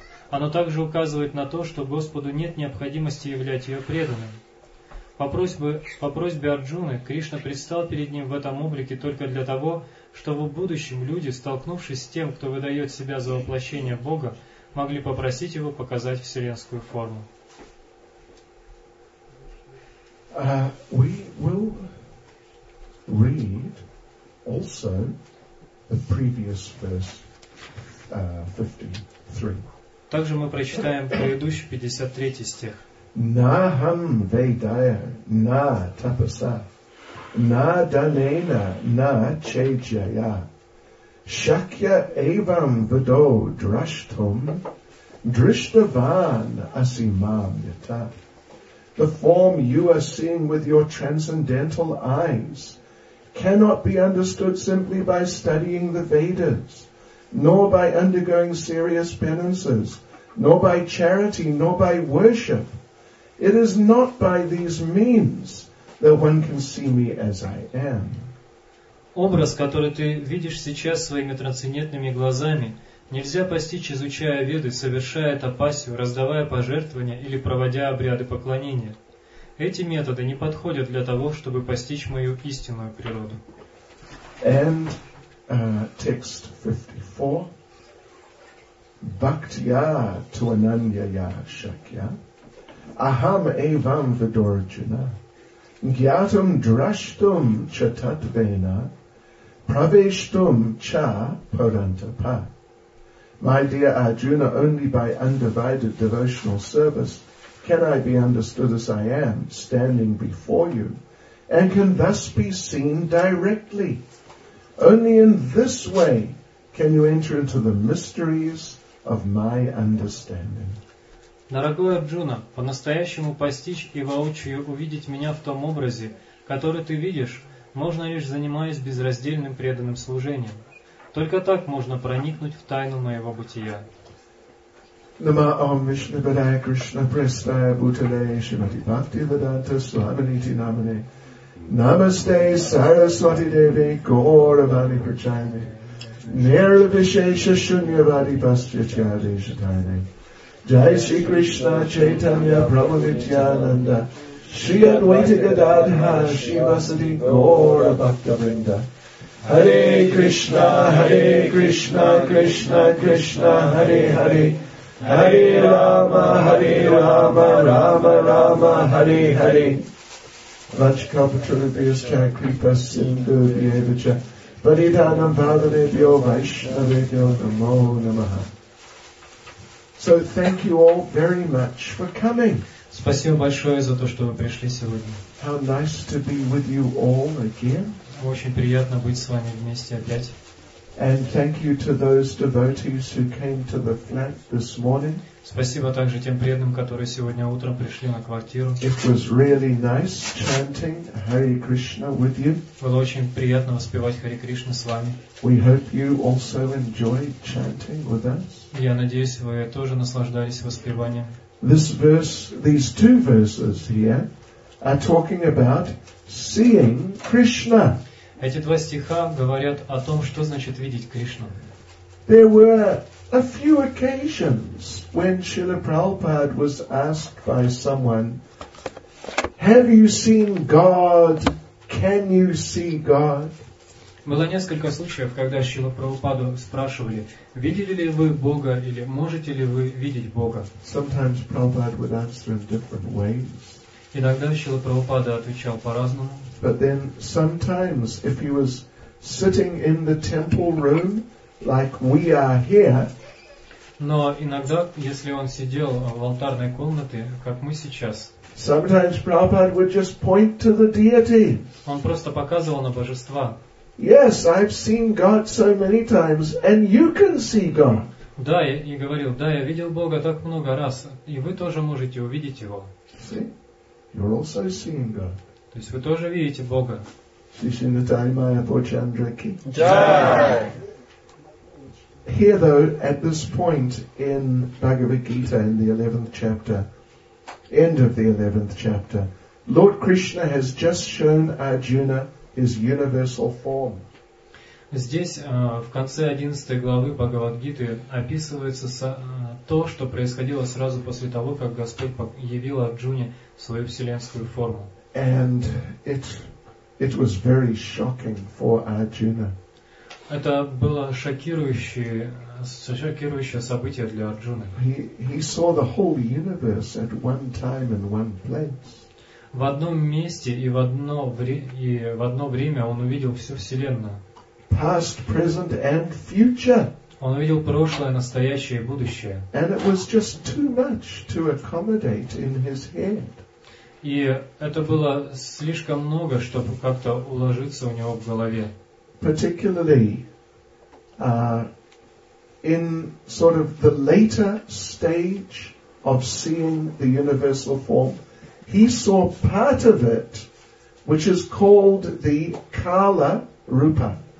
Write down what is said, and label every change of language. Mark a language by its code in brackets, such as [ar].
[ru] Оно также указывает на то, что Господу нет необходимости являть ее преданным. По просьбе Арджуны, Кришна предстал перед ним в этом облике только для того, чтобы в будущем люди, столкнувшись с тем, кто выдает себя за воплощение Бога, могли попросить его показать вселенскую форму. [en] We will read also the previous verse, 53. [ru] Также мы прочитаем предыдущий 53 стих. [sa] Naham vedaya na tapasa na danena na chejaya shakya evam vado drashtum drishtavan asimam yata. [en] The form you are seeing with your transcendental eyes cannot be understood simply by studying the Vedas, nor by undergoing serious penances, nor by charity, nor by worship. It is not by these means that one can see me as I am. [ru] Образ, который ты видишь сейчас своими трансцендентными глазами, нельзя постичь, изучая веды, совершая тапасию, раздавая пожертвования или проводя обряды поклонения. Эти методы не подходят для того, чтобы постичь мою истинную природу. [en] And text 54. [sa] Bhaktiya tu ananyaya shakya. Aham evam vidorjuna, gyatam drashtum chatatvena, praveshtum cha parantapa. [en] My dear Arjuna, only by undivided devotional service can I be understood as I am, standing before you, and can thus be seen directly. Only in this way can you enter into the mysteries of my understanding. [ru] Дорогой Арджуна, по-настоящему постичь и воочию увидеть меня в том образе, который ты видишь, можно лишь занимаясь безраздельным преданным служением. Только так можно проникнуть в тайну моего бытия. [sa] Нама Ом Вишну Падая Кришна Престая Бутале Шримати Бхакти Веданта Свамините Намане Намасте Сарасвати Деве Гауравани Прачайне Нирвишеша Шуньявади Бхасчачаде Шатайне Jai Shri Krishna Chaitanya Prabhu Nityananda Shri Advaita Gadadha Shri Vasati Gaura Bhaktavrinda Hare Krishna Hare Krishna Krishna Krishna Hare Hare Hari Rama, Hari Rama, Rama Rama, Hari Hari. Rajkapatrubhyas cha kripa sindhu vyeva cha paridhanam bhavadevyo vaishnavevyo namo namaha. [en] So thank you all very much for coming. [ru] Спасибо большое за то, что вы пришли сегодня. [en] How nice to be with you all again. [ru] Очень приятно быть с вами вместе опять. [en] And thank you to those devotees who came to the flat this morning. [ru] Спасибо также тем преданным, которые сегодня утром пришли на квартиру. [en] It was really nice chanting Hare Krishna with you. [ru] Было очень приятно воспевать Харе Кришна с вами. [en] We hope you also enjoyed chanting with us. [ru] Я надеюсь, вы тоже наслаждались воспеванием. [en] This verse, these two verses here, are talking about seeing Krishna. [ru] Эти два стиха говорят о том, что значит видеть Кришну. [en] There were a few occasions when Srila Prabhupada was asked by someone, "Have you seen God? Can you see God?" [ru] Было несколько случаев, когда Шрила Прабхупаду спрашивали, видели ли вы Бога или можете ли вы видеть Бога. [en] Sometimes Prabhupada would answer in different ways. [ru] Иногда Шрила Прабхупада отвечал по-разному. [en] But then sometimes if he was sitting in the temple room, like we are here. [ru] Но иногда, если он сидел в алтарной комнате, как мы сейчас. [en] Sometimes Prabhupada would just point to the deity. [ru] Он просто показывал на божества. [en] Yes, I've seen God so many times, and you can see God. [ru] Да, и говорил, да, я видел Бога так много раз, и вы тоже можете увидеть Его. [en] See, you're also seeing God. [ru] То есть вы тоже видите Бога. Сишинатай Майя Бочандраки. Джай! [en] Here though, at this point in Bhagavad Gita, in the 11th chapter, end of the 11th chapter, Lord Krishna has just shown Arjuna is universal form. [ru] Здесь в конце 11 главы Бхагавад-гиты описывается то, что происходило сразу после того, как Господь явил Арджуне свою вселенскую форму. [en] And it was very shocking for Arjuna. [ru] Это было шокирующее событие для Арджуны. [en] He saw the whole universe at one time in one place. [ru] В одном месте и в одно время он увидел всю Вселенную. [en] Past, present and future. [ru] Он увидел прошлое, настоящее и будущее. [en] And it was just too much to accommodate in his head. [ru] И это было слишком много, чтобы как-то уложиться у него в голове. [en] Particularly in sort of the later stage of seeing the universal form. He saw part of it, which is called the Kala Rupa.